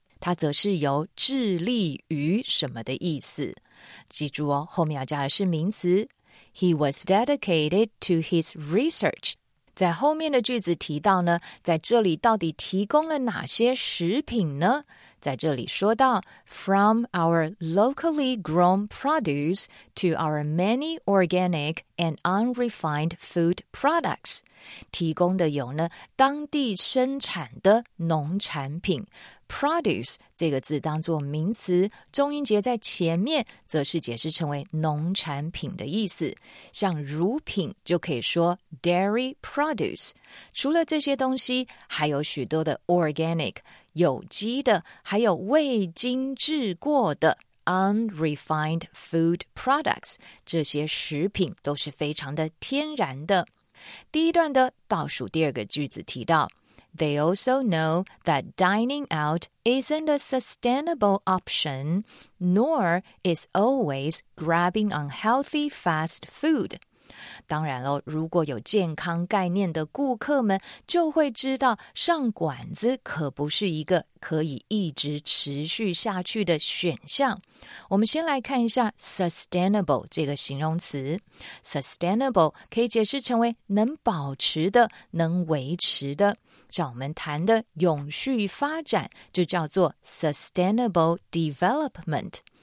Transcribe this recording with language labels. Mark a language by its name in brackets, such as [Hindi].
[Chinese] 它则是由致力于什么的意思记住哦后面要加的是名词 [English] He was dedicated to his research. [Chinese] 在后面的句子提到呢，在这里到底提供了哪些食品呢？在这里说到 [English] from our locally grown produce to our many organic and unrefined food products. [Chinese] 提供的有呢当地生产的农产品。 produce 这个字当作名词，中音节在前面则是解释成为农产品的意思。像乳品就可以说 dairy produce。除了这些东西，还有许多的 organic,有机的，还有未经制过的 unrefined food products, 这些食品都是非常的天然的。第一段的倒数第二个句子提到 [English] They also know that dining out isn't a sustainable option, nor is always grabbing unhealthy fast food. [Chinese] 当然了，如果有健康概念的顾客们就会知道上馆子可不是一个可以一直持续下去的选项。我们先来看一下 sustainable 这个形容词。 sustainable 可以解释成为能保持的、能维持的，像我们谈的永续发展就叫做 sustainable development。